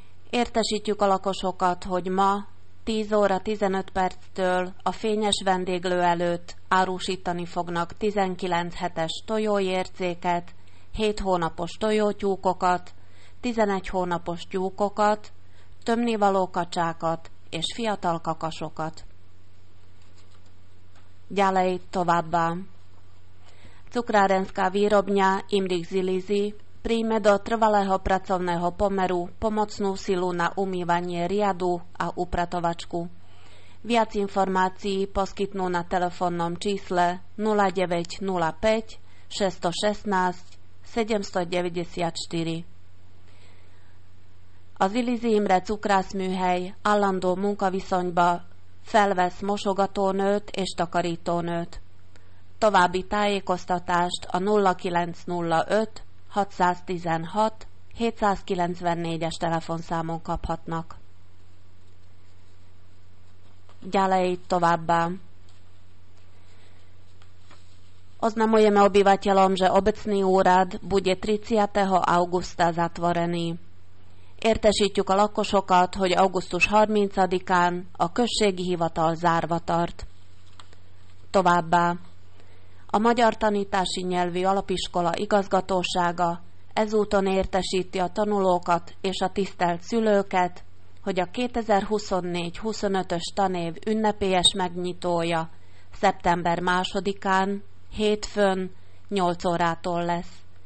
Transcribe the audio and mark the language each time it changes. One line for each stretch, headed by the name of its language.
Hungarian: Értesítjük a lakosokat, hogy ma 10 óra 15 perctől a Fényes vendéglő előtt árusítani fognak 19 hetes tojóércéket, 7 hónapos tojótyúkokat, 11 hónapos tyúkokat, tömnivaló kacsákat és fiatal kakasokat.
Slovak: Ďalej
Hungarian: továbbá.
Slovak: Cukrárenská výrobňa Imrik Zilizi príjme do trvalého pracovného pomeru pomocnú silu na umývanie riadu a upratovačku. Viac informácií poskytnú na telefónnom čísle 0905 616 794.
Hungarian: A Zilizi Imre cukrászműhely állandó munkaviszonyba felvesz mosogatónőt és takarítónőt. További tájékoztatást a 0905 616 794-es telefonszámon kaphatnak.
Slovak: Ďalej
Hungarian: továbbá.
Slovak: Oznamujeme obyvateľom, že obecný úrad bude 30. augusta zatvorený.
Hungarian: Értesítjük a lakosokat, hogy augusztus 30-án a községi hivatal zárva tart. Továbbá. A Magyar Tanítási Nyelvi Alapiskola igazgatósága ezúton értesíti a tanulókat és a tisztelt szülőket, hogy a 2024-25-ös tanév ünnepélyes megnyitója szeptember 2-án, hétfőn, 8 órától lesz.